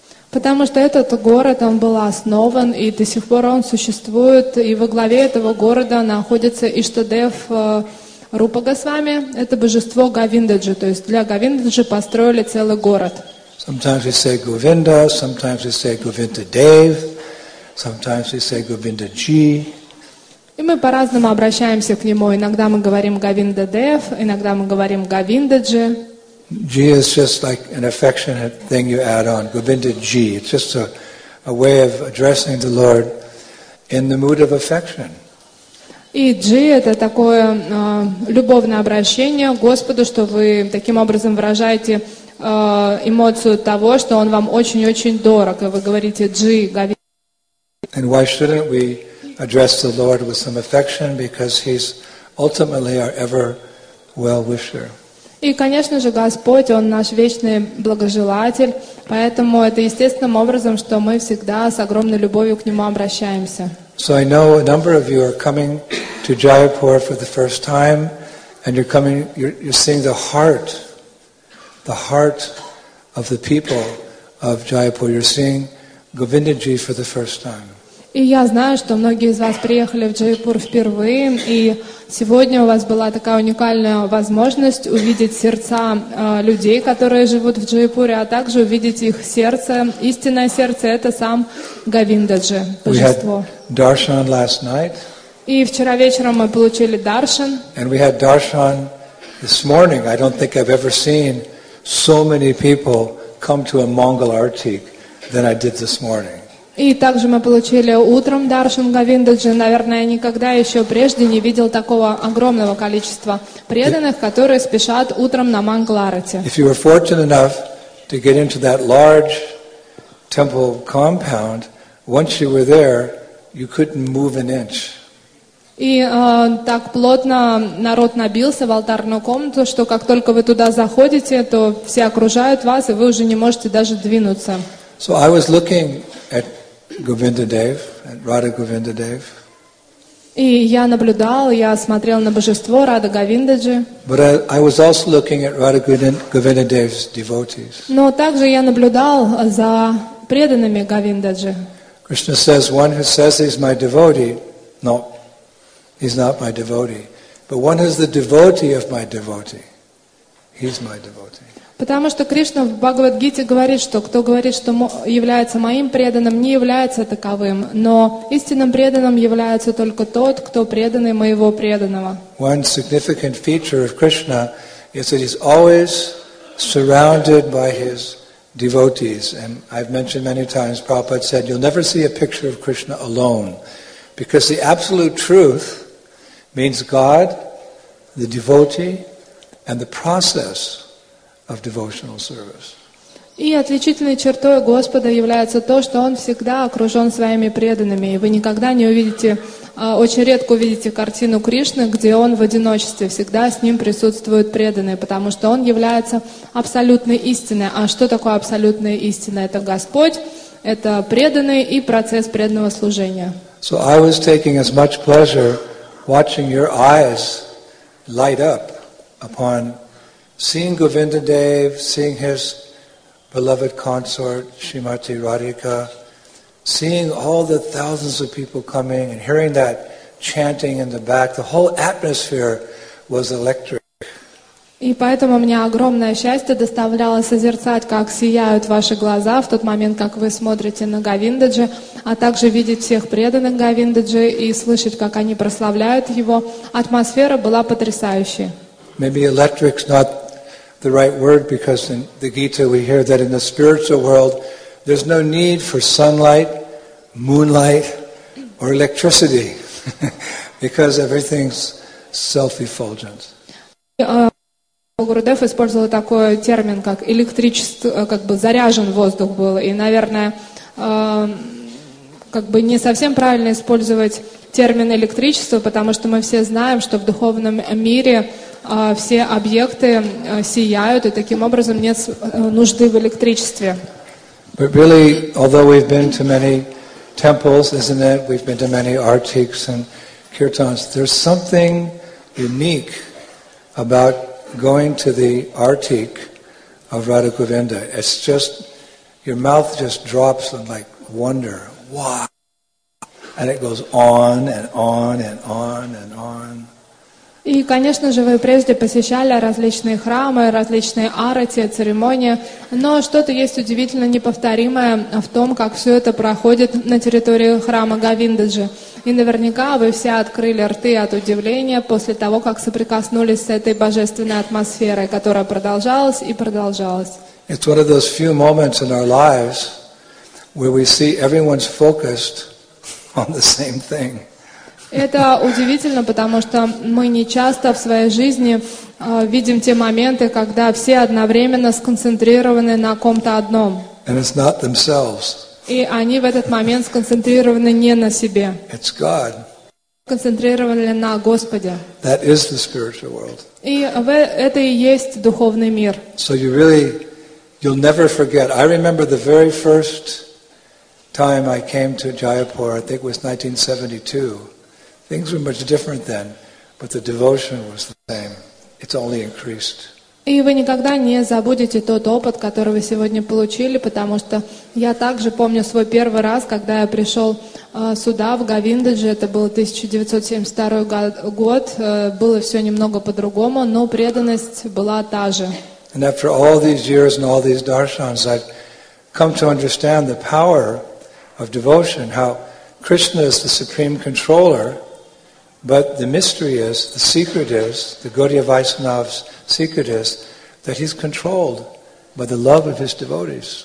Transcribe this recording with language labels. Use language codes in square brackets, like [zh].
[ru] Потому что этот город, он был основан, и до сих пор он существует, и во главе этого города находится Ishtadev Rūpa Gosvāmī, это божество Говиндаджи, то есть для Говиндаджи построили целый город. [en] Sometimes we say Govinda, sometimes we say Govindadev, sometimes we say Govindaji. [ru] И мы по-разному обращаемся к нему. Иногда мы говорим Говиндадев, иногда мы говорим Говиндаджи. [en] G is just like an affectionate thing you add on. [ru] Говиндаджи. [en] It's just a way of addressing the Lord in the mood of affection. [ru] И G это такое любовное обращение Господу, что вы таким образом выражаете эмоцию того, что Он вам очень-очень дорог. И вы говорите G, Говиндаджи. [en] And why shouldn't we address the Lord with some affection, because He's ultimately our ever well-wisher. [ru] И, конечно же, Господь, Он наш вечный благожелатель, поэтому это естественным образом, что мы всегда с огромной любовью к Нему обращаемся. [en] So I know a number of you are coming to Jaipur for the first time, and you're coming, you're seeing the heart of the people of Jaipur. You're seeing Govindaji for the first time. [ru] И я знаю, что многие из вас приехали в Джайпур впервые, и сегодня у вас была такая уникальная возможность увидеть сердца людей, которые живут в Джайпуре, а также увидеть их сердце, истинное сердце, это сам Говиндаджи, божество. [en] Darshan last night. [ru] И вчера вечером мы получили даршан. [en] And we had darshan this morning. I don't think I've ever seen so many people come to a Mangal Aarti than I did this morning. [ru] И также мы получили утром даршан Говиндаджи. Наверное, я никогда еще прежде не видел такого огромного количества преданных, которые спешат утром на Мангаларати. [en] If you were fortunate enough to get into that large temple compound, once you were there, you couldn't move an inch. [ru] И так плотно народ набился в алтарную комнату, что как только вы туда заходите, то все окружают вас, и вы уже не можете даже двинуться. [en] So I was looking at Govindadev, Radha Govindadev. [ru] И я наблюдал, я смотрел на божество Радха Говиндаджи. [en] But I was also looking at Radha Govindadev's devotees. [ru] Но также я наблюдал за преданными Говиндаджи. [en] Krishna says, one who says he's my devotee, no, he's not my devotee. But one who's the devotee of my devotee, he's my devotee. [ru] Потому что Кришна в Бхагавад-гите говорит, что кто говорит, что является моим преданным, не является таковым, но истинным преданным является только тот, кто преданный моего преданного. [en] One significant feature of Krishna is that he's always surrounded by his devotees. And I've mentioned many times, Prabhupada said, you'll never see a picture of Krishna alone. Because the absolute truth means God, the devotee, and the process of devotional service. [ru] И отличительной чертой Господа является то, что Он всегда окружен своими преданными. И вы никогда не увидите, очень редко увидите картину Кришны, где Он в одиночестве. Всегда с Ним присутствуют преданные, потому что Он является абсолютной истиной. А что такое абсолютная истина? Это Господь, это преданные и процесс преданного служения. [en] So I was taking as much pleasure watching your eyes light up upon seeing Govinda Dev, seeing his beloved consort, Srimati Radhika, seeing all the thousands of people coming and hearing that chanting in the back, the whole atmosphere was electric. [ru] И поэтому мне огромное счастье доставляло созерцать, как сияют ваши глаза в тот момент, как вы смотрите на Говиндаджи, а также видеть всех преданных Говиндаджи и слышать, как они прославляют его. Атмосфера была потрясающей. [en] Maybe electric's not the right word, because in the Gita we hear that in the spiritual world there's no need for sunlight, moonlight, or electricity, because everything's self-effulgent. [ru] Гурудев использовал такой термин, как электричество, как бы заряжен воздух был, и, наверное, как бы не совсем правильно использовать термин электричество, потому что мы все знаем, что в духовном мире все объекты сияют, и таким образом нет нужды в электричестве. [en] But really, although we've been to many temples, isn't it? We've been to many artiks and kirtans. There's something unique about going to the artik of Radha Govinda. It's just, your mouth just drops in like wonder. Wow! And it goes on and on and on and on. [ru] И, конечно же, вы прежде посещали различные храмы, различные арати, церемонии, но что-то есть удивительно неповторимое в том, как все это проходит на территории храма Говиндаджи. И наверняка вы все открыли рты от удивления после того, как соприкоснулись с этой божественной атмосферой, которая продолжалась и продолжалась. [en] It's one of those few moments in our lives where we see everyone's focused on the same thing. [ru] Это удивительно, потому что мы не часто в своей жизни видим те моменты, когда все одновременно сконцентрированы на ком-то одном. [en] And it's not themselves. [ru] И они в этот момент сконцентрированы не на себе. [en] It's God. [ru] Сконцентрированы на Господе. [en] That is the spiritual world. [ru] И это и есть духовный мир. [en] So you really, you'll never forget. I remember the very first time I came to Jaipur, I think it was 1972. Things were much different then, but the devotion was the same. It's only increased. [ru] И вы никогда не забудете тот опыт, который вы сегодня получили, потому что я также помню свой первый раз, когда я пришел сюда, в Говиндаджи, это был 1972 год, было все немного по-другому, но преданность была та же. [en] And after all these years and all these darshans, I've come to understand the power of devotion, how Krishna is the supreme controller. But the mystery is, the secret is, the Gaudiya Vaishnava's secret is, that he's controlled by the love of his devotees.